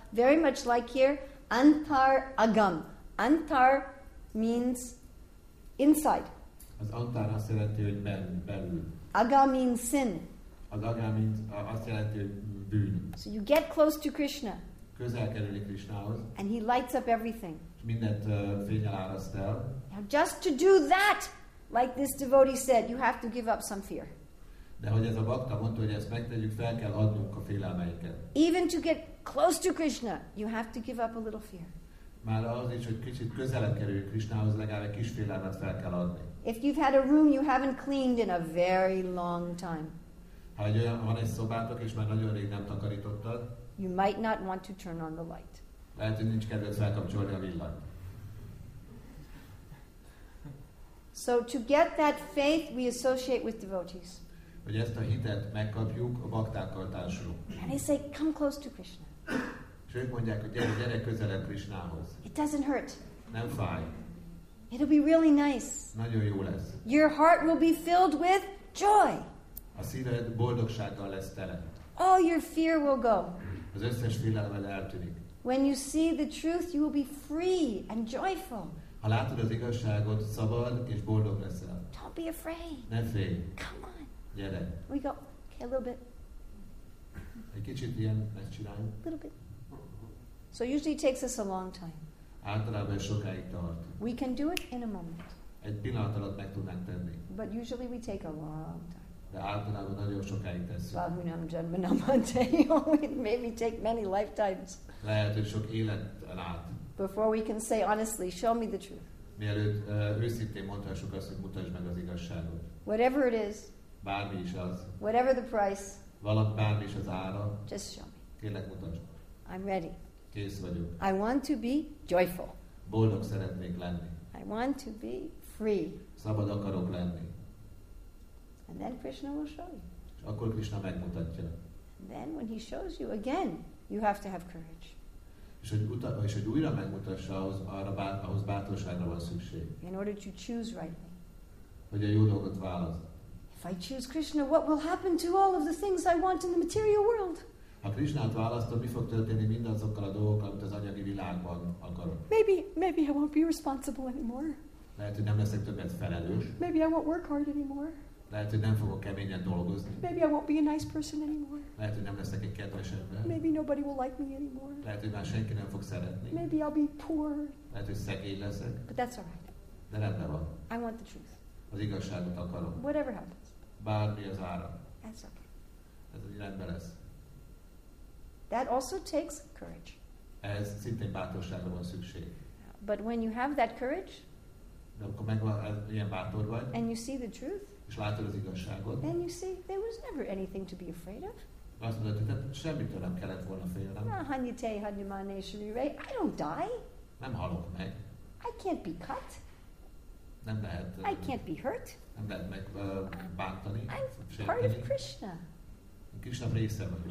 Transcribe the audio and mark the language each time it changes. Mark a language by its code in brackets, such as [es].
[en] Very much like here, antar agam. Antar means inside. [hu] Az antar azt jelenti, hogy belül. [en] Aga means sin. [hu] Az aga means azt jelenti, hogy bűn. [en] So you get close to Krishna. [hu] Közel kerülni Krishnához. [en] And he lights up everything. [hu] Mindent fényel áraszt el. [en] Now just to do that, like this devotee said, you have to give up some fear. [hu] De hogy ez a bhakta mondta, hogy ezt megtegyük, fel kell adnunk a félelmeinket. [en] Even to get close to Krishna, you have to give up a little fear. [hu] Már az is, hogy kicsit közelebb kerüljük Krishnához, legalább egy kis félelmet fel kell adni. [en] If you've had a room you haven't cleaned in a very long time. [hu] Ha van egy szobátok, és már nagyon rég nem takarítottad, [en] you might not want to turn on the light. [hu] Lehet, hogy nincs kedved felkapcsolni a villanyt. [en] So to get that faith, we associate with devotees. [hu] Hogy ezt a hitet megkapjuk, a baktákkal társulunk. [en] And they say, come close to Krishna. [hu] És ők mondják, hogy gyere közelebb Krishnához. [en] It doesn't hurt. [hu] Nem fáj. [en] It'll be really nice. [hu] Nagyon jó lesz. [en] Your heart will be filled with joy. [hu] A szíved boldogsággal lesz tele. [en] All your fear will go. [hu] Az összes félelmed eltűnik. [en] When you see the truth, you will be free and joyful. [hu] Ha látod az igazságot, szabad és boldog leszel. [en] Don't be afraid. [hu] Ne félj. [en] Come on. [hu] Gyere. [en] We go, okay, a little bit. [hu] Egy kicsit ilyen megcsináljuk. [en] A little bit. So usually it takes us a long time. [hu] Általában sokáig tart. [en] We can do it in a moment. [hu] Egy pillanat alatt meg tudnánk tenni. [en] But usually we take a long time. [hu] De általában nagyon sokáig tesszük. [sa] Bhagunam janmanam anteyo. [en] It may be take many lifetimes. [hu] Lehet, hogy sok élet át. [en] Before we can say honestly, show me the truth. [hu] Mielőtt őszintén mondhassuk azt, hogy mutasd meg az igazságot. [en] Whatever it is. [hu] Bármi is az. [en] Whatever the price. [hu] Valami bármi is az ára. [en] Just show me. [hu] Kérlek, mutasd. [en] I'm ready. [hu] Kész vagyok. [en] I want to be joyful. [hu] Boldog szeretnék lenni. [en] I want to be free. [hu] Szabad akarok lenni. [en] And then Krishna will show you. [hu] És akkor Krishna megmutatja. [en] And then when he shows you again, you have to have courage. [hu] És hogy utána, és hogy újra megmutassa, ahhoz bátorságra van szükség. [en] In order to choose rightly. [hu] Hogy a jó dolgot válasz. [en] If I choose Krishna, what will happen to all of the things I want in the material world? [hu] Ha Krishnát választom, mi fog történni mindazokkal a dolgokkal, amit az anyagi világban akarok? [en] Maybe I won't be responsible anymore. [hu] Lehet, hogy nem leszek többet felelős. [en] Maybe I won't work hard anymore. [hu] Lehet, hogy nem fogok keményen dolgozni. [en] Maybe I won't be a nice person anymore. [hu] Lehet, hogy nem leszek egy kedves ember. [en] Maybe nobody will like me anymore. [hu] Lehet, hogy már senki nem fog szeretni. [en] Maybe I'll be poor. [hu] Lehet, hogy szegény leszek. [en] But that's all right. [hu] De rendben van. [en] I want the truth. [hu] Az igazságot akarom. [en] Whatever happens. [hu] Bármi az ára. [en] That's okay. [hu] Ez rendben lesz. [en] That also takes courage. [hu] Ez szintén bátorságra van szükség. [en] But when you have that courage, [hu] de akkor megvan, ilyen bátor vagy, [en] and you see the truth, [hu] és látod az igazságot, [en] then you see there was never anything to be afraid of. [hu] Azt mondod, hogy semmitől nem kellett volna félnem. [sa] Hanyite, hanyumane, shirire, [en] I don't die. [hu] Nem halok meg. [en] I can't be cut. [hu] Nem lehet. [en] I can't be hurt. [hu] Nem lehet megbántani. [en] I'm part of Krishna. [hu] Krishna része vagyok.